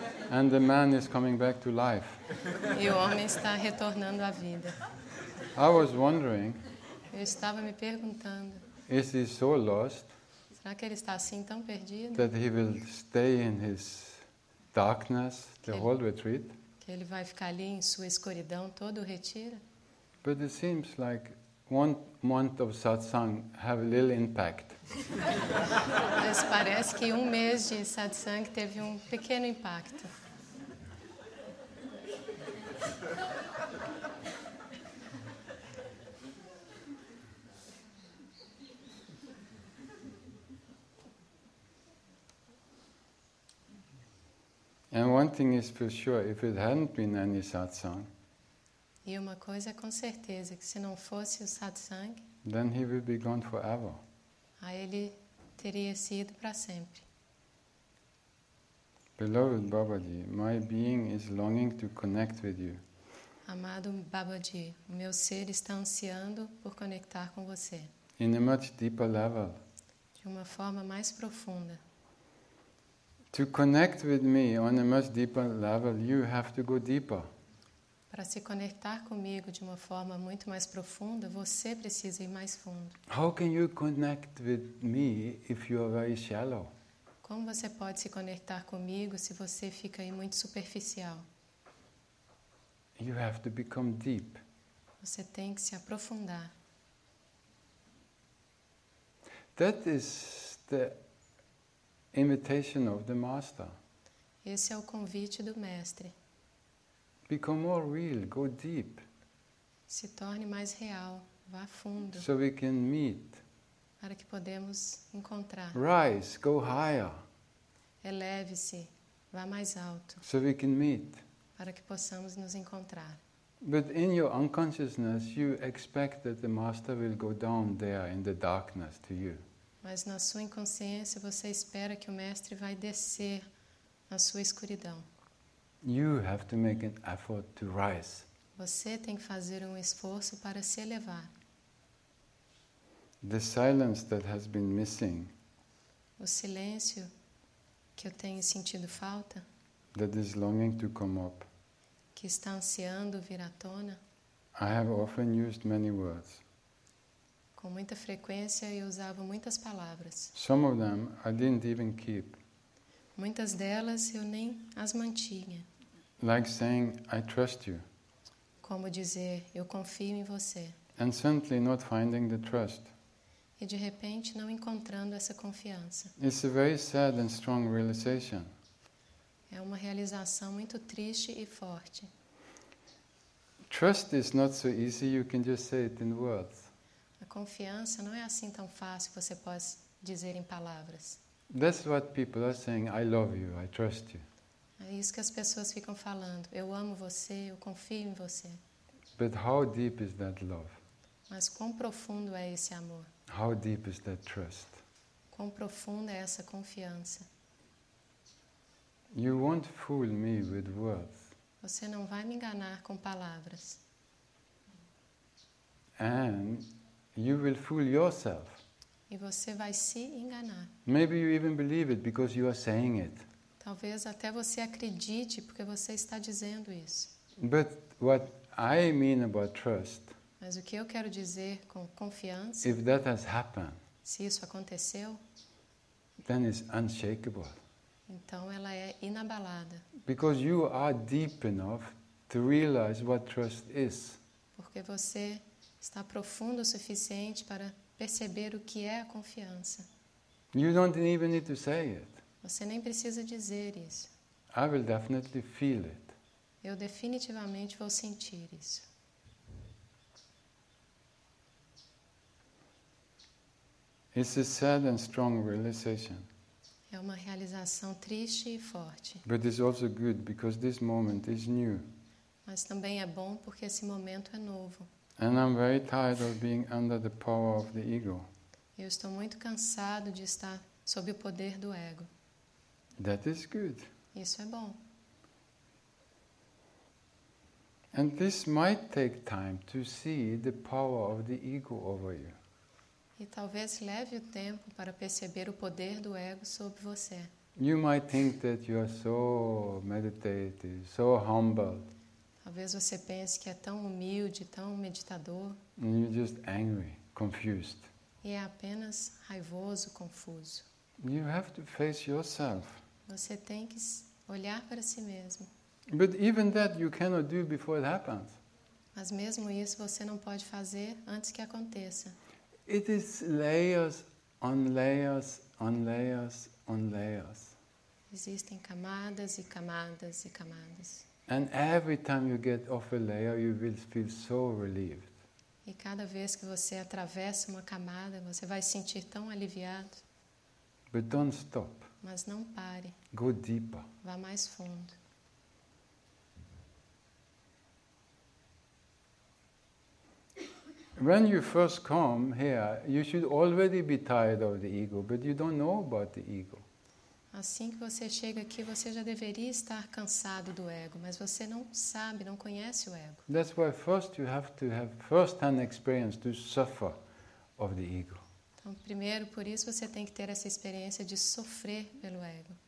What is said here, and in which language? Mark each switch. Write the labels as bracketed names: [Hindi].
[English] And the man is coming back to life. [Portuguese] E o homem está retornando à vida. [English] I was wondering. [Portuguese] Eu estava me perguntando. [English] Is he so lost? [Portuguese] Será que ele está assim tão perdido? [English] That he will stay in his darkness the whole retreat? [Portuguese] Que ele vai ficar ali em sua escuridão todo o retiro? [English] But it seems like one month of satsang have little impact. [Portuguese] Mas parece que um mês de satsang teve um pequeno impacto. [English] And one thing is for sure, if it hadn't been any satsang, [Portuguese] e uma coisa é com certeza, que se não fosse o satsang, [English] then he will be gone forever. [Portuguese] Aí ele teria sido para sempre. [English] Beloved Babaji, my being is longing to connect with you. [Portuguese] Amado Babaji, o meu ser está ansiando por conectar com você. [English] In a much deeper level. [Portuguese] De uma forma mais profunda. [English] To connect with me on a much deeper level, you have to go deeper. [Portuguese] Para se conectar comigo de uma forma muito mais profunda, você precisa ir mais fundo. [English] How can you connect with me if you are very shallow? [Portuguese] Como você pode se conectar comigo se você fica aí muito superficial? [English] You have to become deep. [Portuguese] Você tem que se aprofundar. [English] That is the invitation of the master. [Portuguese] Esse é o convite do mestre. [English] Become more real, go deep. [Portuguese] Se torne mais real, vá fundo. [English] So we can meet. [Portuguese] Para que podemos encontrar. [English] Rise, go higher. [Portuguese] Eleve-se. Vá mais alto. [English] So we can meet. [Portuguese] Para que possamos nos encontrar. [English] But in your unconsciousness, you expect that the master will go down there in the darkness to you. [Portuguese] Mas na sua inconsciência você espera que o mestre vai descer na sua escuridão. [English] You have to make an effort to rise. [Portuguese] Você tem que fazer um esforço para se elevar. [English] The silence that has been missing. [Portuguese] O silêncio que eu tenho sentido falta. [English] That is longing to come up. [Portuguese] Que está ansiando vir à tona. [English] I have often used many words. [Portuguese] Com muita frequência eu usava muitas palavras. [English] Some of them I didn't even keep. [Portuguese] Muitas delas eu nem as mantinha. [English] Like saying, I trust you. [Portuguese] Como dizer, eu confio em você. [English] And suddenly not finding the trust. [Portuguese] E de repente não encontrando essa confiança. [English] It's a very sad and strong realization. [Portuguese] É uma realização muito triste e forte. [English] Trust is not so easy, you can just say it in words. [Portuguese] A confiança não é assim tão fácil que você possa dizer em palavras. [English] That's what people are saying, I love you, I trust you. [Portuguese] É isso que as pessoas ficam falando. Eu amo você, eu confio em você. [English] But how deep is that love? [Portuguese] Mas quão profundo é esse amor? [English] How deep is that trust? [Portuguese] Quão profunda é essa confiança? [English] You won't fool me with words. [Portuguese] Você não vai me enganar com palavras. [English] And you will fool yourself. [Portuguese] E você vai se enganar. [English] Maybe you even believe it because you are saying it. [Portuguese] Talvez até você acredite porque você está dizendo isso. [English] But what I mean about trust, [Portuguese] mas o que eu quero dizer com confiança, [English] if that has happened, [Portuguese] se isso aconteceu, [English] then it's unshakable. [Portuguese] Então ela é inabalada. [English] Because you are deep enough to realize what trust is. [Portuguese] Porque você está profundo o suficiente para perceber o que é a confiança. [English] You don't even need to say it. [Portuguese] Você nem precisa dizer isso. [English] I will definitely feel it. [Portuguese] Eu definitivamente vou sentir isso. [English] It's a sad and strong realization. [Portuguese] É uma realização triste e forte. [English] But it's also good because this moment is new. [Portuguese] Mas também é bom porque esse momento é novo. [English] And I'm very tired of being under the power of the ego. [Portuguese] Eu estou muito cansado de estar sob o poder do ego. [English] That is good. [Portuguese] Isso é bom. [English] And this might take time to see the power of the ego over you. [Portuguese] E talvez leve o tempo para perceber o poder do ego sobre você. [English] You might think that you are so meditative, so humble. [Portuguese] Talvez você pense que é tão humilde, tão meditador. [English] And you're just angry, confused. [Portuguese] E é apenas raivoso, confuso. [English] You have to face yourself. [Portuguese] Você tem que olhar para si mesmo. [English] But even that you cannot do before it happens. [Portuguese] Mas mesmo isso você não pode fazer antes que aconteça. [English] It is layers on layers on layers on layers. [Portuguese] Existem camadas e camadas e camadas. [English] And every time you get off a layer, you will feel so relieved. [Portuguese] E cada vez que você atravessa uma camada, você vai sentir tão aliviado. [English] But don't stop. [Portuguese] Mas não pare. [English] Go deeper. [Portuguese] Vá mais fundo. [English] When you first come here, you should already be tired of the ego, but you don't know about the ego. [Portuguese] Assim que você chega aqui, você já deveria estar cansado do ego, mas você não sabe, não conhece o ego. [English] That's why first you have to have first-hand experience to suffer of the ego. [Portuguese] Então, primeiro, por isso você tem que ter essa experiência de sofrer pelo ego.